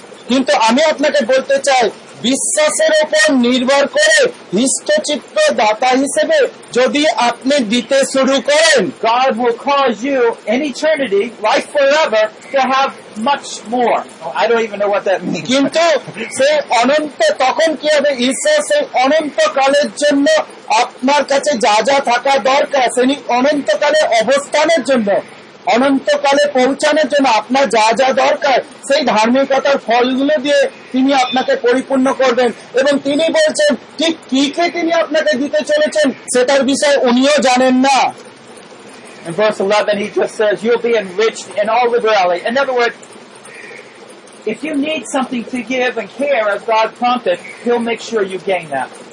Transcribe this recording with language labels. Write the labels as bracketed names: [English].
[Bangla] কিন্তু আমি আপনাকে বলতে চাই, বিশ্বাসের উপর নির্ভর করে হৃষ্টচিত্ত দাতা হিসেবে যদি আপনি দিতে শুরু করেন, [English] God will cause you in eternity, life forever, to have much more. I don't even know what that means. [Bangla] কিন্তু সেই অনন্ত তখন কি হবে, ঈশ্বর সেই অনন্তকালের জন্য আপনার কাছে যা যা থাকা দরকার, সেই অনন্তকালে অবস্থানের জন্য, অনন্তকালে পৌঁছানোর জন্য আপনার যা যা দরকার সেই ধার্মিকতার ফলগুলো দিয়ে তিনি আপনাকে পরিপূর্ণ করবেন। এবং তিনি বলছেন ঠিক কি কে তিনি আপনাকে দিতে চলেছেন সেটার বিষয়ে উনিও জানেন না। [English] In verse 11 he just says you'll be enriched in all the valley. In other words, if you need something to give and care as God prompted, he'll make sure you gain that.